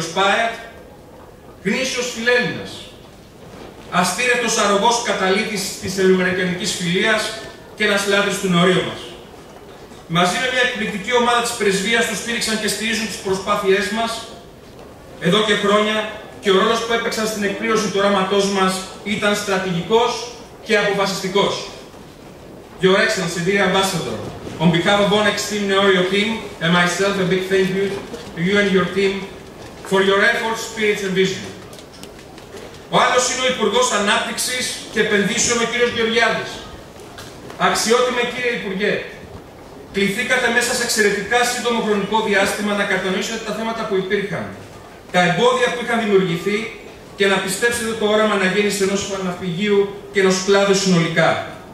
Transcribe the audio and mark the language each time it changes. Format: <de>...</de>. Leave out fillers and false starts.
<el>Πάετ, γνήσιος φιλέλληνας, αστήρετος αρρωγός καταλύτης της ελληνοαμερικανικής φιλίας και ένας λάτρης του νορίου μας. Μαζί με μια εκπληκτική ομάδα της πρεσβείας τους στήριξαν και στηρίζουν τις προσπάθειές μας εδώ και χρόνια και ο ρόλος που έπαιξαν στην εκπλήρωση του οράματός μας ήταν στρατηγικός και αποφασιστικός.</el> <en>Your Excellency, dear Ambassador, on behalf of Onex Team Neorio Team and myself, a big thank you to you and your team for your efforts, spirit and vision.</en> <el>Ο άλλος είναι ο Υπουργός Ανάπτυξης και Επενδύσεων, ο κ. Γεωργιάδης. Αξιότιμε κύριε Υπουργέ, κληθήκατε μέσα σε εξαιρετικά σύντομο χρονικό διάστημα να κατανοήσετε τα θέματα που υπήρχαν, τα εμπόδια που είχαν δημιουργηθεί και να πιστέψετε το όραμα αναγέννηση ενός φαναφυγείου και ενός κλάδου συνολικά.</el>